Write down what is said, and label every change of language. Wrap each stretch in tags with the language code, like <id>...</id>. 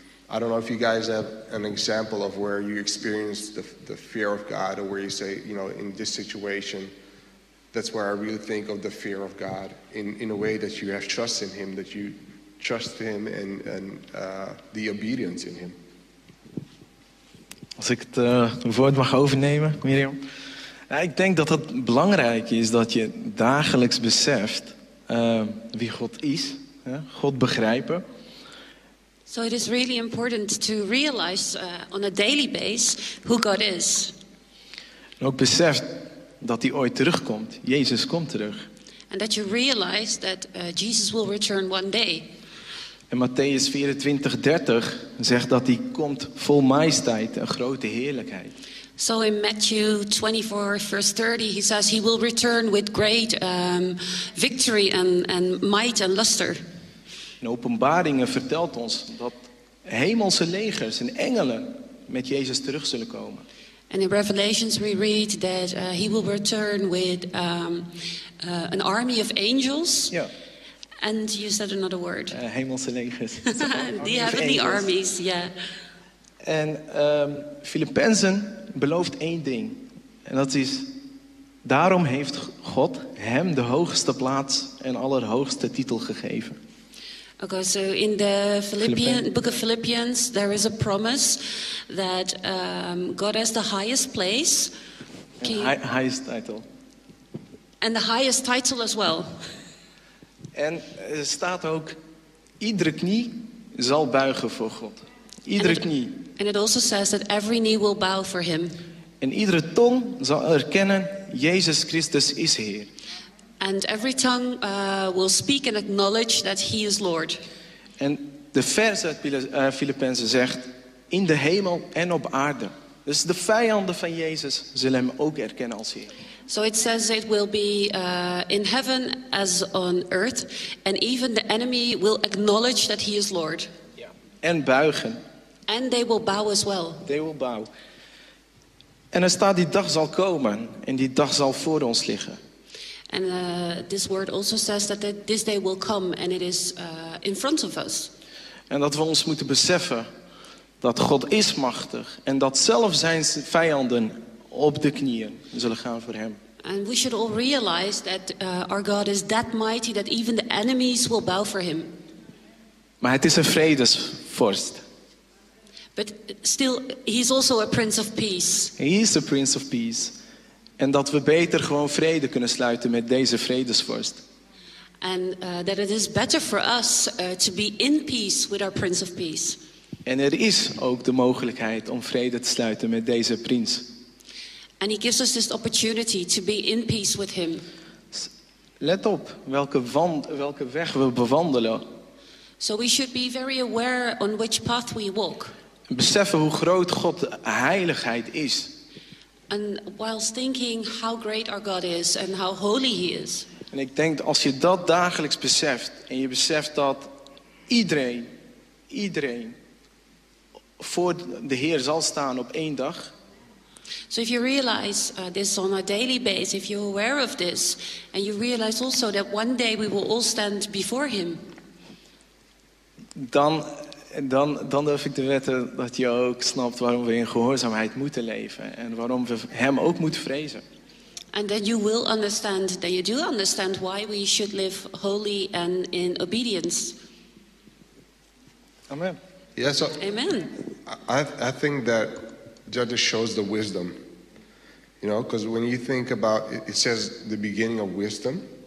<en>I don't know if you guys have an example of where you experienced the fear of God, or where you say, you know, in this situation, that's where I really think of the fear of God, in a way that you have trust in him, that you trust him and the obedience in him.</en> <nl>Als ik het woord mag overnemen, Miriam. Ik denk dat het belangrijk is dat je dagelijks beseft wie God is. Hè? God begrijpen.</nl> <en>So it is really important to realize on a daily basis who God is.</en> <nl>En ook beseft dat hij ooit terugkomt. Jezus komt terug.</nl> <en>And that you realize that Jesus will return one day.</en> <nl>En Matteüs 24:30 zegt dat hij komt vol majesteit en grote heerlijkheid.</nl> <en>So in Matthew 24:30 he says he will return with great victory and might and luster.</en> <nl>En Openbaringen vertelt ons dat hemelse legers en engelen met Jezus terug zullen komen.</nl> <en>And in Revelations we read that he will return with an army of angels. Ja. And you said another word.</en> <nl>Hemelse legers.</nl> <en>The heavenly armies, yeah.</en> <nl>En Filippenzen belooft één ding. En dat is, daarom heeft God hem de hoogste plaats en allerhoogste titel gegeven.</nl> <en>Okay, so in the book of Philippians, there is a promise that God has the highest place. Highest title. And the highest title as well.</en> <nl>En er staat ook, iedere knie zal buigen voor God. Iedere knie.</nl> <en>And it also says that every knee will bow for him.</en> <nl>En iedere tong zal erkennen, Jezus Christus is Heer.</nl> <en>And every tongue will speak and acknowledge that he is Lord.</en> <nl>En de vers uit Filippenzen zegt, in de hemel en op aarde. Dus de vijanden van Jezus zullen hem ook erkennen als Heer.</nl> <en>So it says it will be in heaven as on earth. And even the enemy will acknowledge that he is Lord.</en> <nl>Yeah. En buigen.</nl> <en>And they will bow as well. They will bow.</en> <nl>En er staat, die dag zal komen en die dag zal voor ons liggen.</nl> <en>And this word also says that this day will come and it is in front of us.</en> <nl>En dat we ons moeten beseffen dat God is machtig en dat zelf zijn vijanden op de knieën zullen gaan voor hem.</nl> <en>And we should all realize that our God is that mighty that even the enemies will bow for him.</en> <nl>Maar het is een vredesvorst.</nl> <en>But still he's also a prince of peace. He is the prince of peace.</en> <nl>En dat we beter gewoon vrede kunnen sluiten met deze vredesvorst.</nl> <en>And that it is better for us to be in peace with our Prince of Peace.</en> <nl>En er is ook de mogelijkheid om vrede te sluiten met deze prins.</nl> <en>And he gives us this opportunity to be in peace with him.</en> <nl>Let op welke weg we bewandelen.</nl> <en>So we should be very aware on which path we walk.</en> <nl>Beseffen hoe groot God heiligheid is.</nl> <en>And whilst thinking how great our God is and how holy he is.</en> <nl>En ik denk, als je dat dagelijks beseft en je beseft dat iedereen voor de Heer zal staan op één dag.</nl> <en>So if you realize this on a daily basis, if you're aware of this and you realize also that one day we will all stand before him.</en> <nl>Dan durf ik te wetten dat je ook snapt waarom we in gehoorzaamheid moeten leven. En waarom we hem ook moeten vrezen.</nl> <en>And then you will understand, that you do understand why we should live holy and in obedience. Amen. Yeah, so amen. I think that Judges shows the wisdom. You know, because when you think about it, it says the beginning of wisdom.</en>